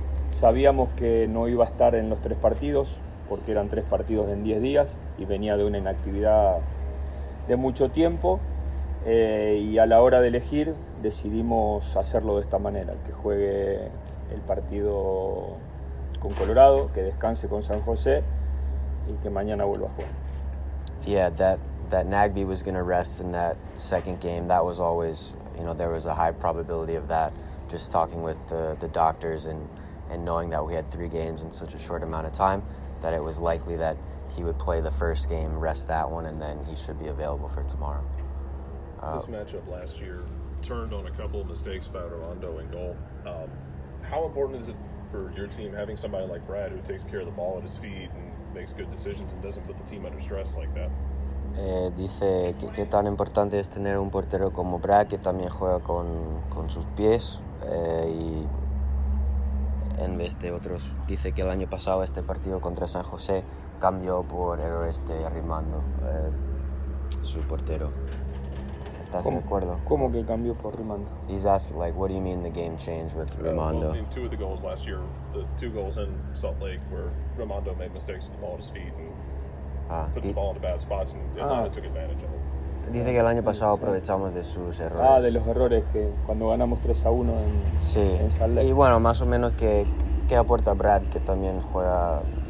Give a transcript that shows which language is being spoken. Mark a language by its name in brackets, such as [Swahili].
[Spanish] Sabíamos que no iba a estar en los tres partidos, porque eran tres partidos en 10 días y venía de una inactividad de mucho tiempo. Y a la hora de elegir, decidimos hacerlo de esta manera, que juegue el partido con Colorado, que descanse con San José y que mañana vuelva a jugar. [English] Yeah, that Nagbe was going to rest in that second game, that was always, you know, there was a high probability of that, just talking with the doctors and knowing that we had three games in such a short amount of time, that it was likely that he would play the first game, rest that one, and then he should be available for tomorrow. This matchup last year turned on a couple of mistakes by Rolando in goal. How important is it for your team having somebody like Brad who takes care of the ball at his feet and makes good decisions and doesn't put the team under stress like that? [Spanish] Dice que tan importante es tener un portero como Brad, que también juega con sus pies, y en vez de otros. Dice que el año pasado este partido contra San José cambió por errores de Arrimando, su portero. ¿Estás de acuerdo? ¿Cómo que cambió por Arrimando? [English] He's asking, like, what do you mean the game changed with Arrimando? Well, in two of the goals last year, the two goals in Salt Lake where Arrimando made mistakes with the ball at his feet and put the ball into bad spots and Atlanta took advantage of it. [Spanish] Dice que el año pasado aprovechamos de sus errores. Ah, de los errores, que cuando ganamos 3-1 en, sí, en Salt Lake. Y bueno, más o menos, ¿qué aporta Brad, que también juega...?